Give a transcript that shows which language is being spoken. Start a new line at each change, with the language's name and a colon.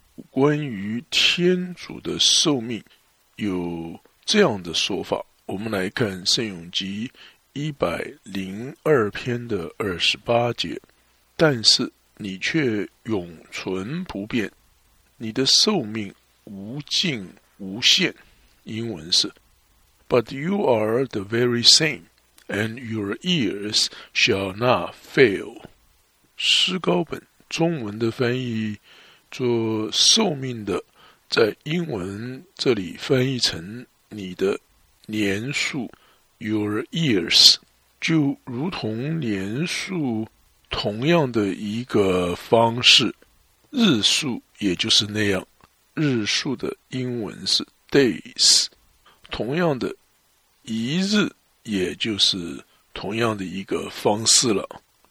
Chinese: 关于天主的寿命有这样的说法，我们来看圣咏集102篇的28节，但是你却永存不变，你的寿命无尽无限。英文是
English: But you are the very same, and your years shall not fail.
Chinese: 诗高本中文的翻译做寿命的，在英文这里翻译成你的年数
English: your years,
Chinese: 就如同年数同样的一个方式，日数也就是那样，日数的英文是 days, 同样的一日也就是同样的一个方式了。